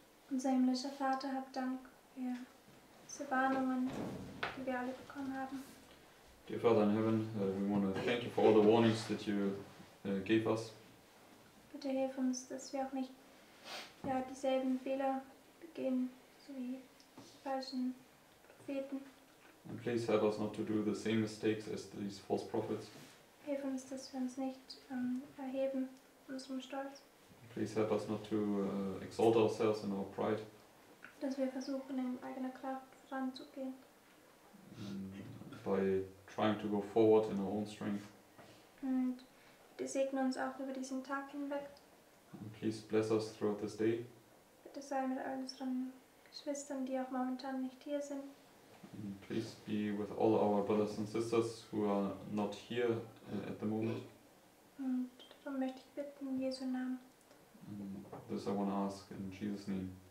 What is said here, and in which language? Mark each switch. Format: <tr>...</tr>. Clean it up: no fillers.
<de>Unser himmlischer Vater, hab Dank für diese Warnungen, die wir alle bekommen haben.</de> <en>Dear Father in Heaven, we want to thank you for all the warnings that you gave us.</en> <de>Bitte hilf uns, dass wir auch nicht ja, dieselben Fehler begehen, so wie die falschen Propheten.</de> <en>And please help us not to do the same mistakes as these false prophets.</en> <de>Hilf uns, dass wir uns nicht erheben in unserem Stolz.</de> <en>Please help us not to exalt ourselves in our pride.</en> <de>Dass wir versuchen, in eigener Kraft voranzugehen.</de> <en>By trying to go forward in our own strength.</en> <de>Und bitte segne uns auch über diesen Tag hinweg.</de> <en>And please bless us throughout this day.</en> <de>Bitte sei mit all unseren Geschwistern, die auch momentan nicht hier sind.</de> <en>And please be with all our brothers and sisters who are not here at the moment.</en> <de>Und darum möchte ich bitten, in Jesu Namen.</de> <en>This I want to ask in Jesus' name.</en>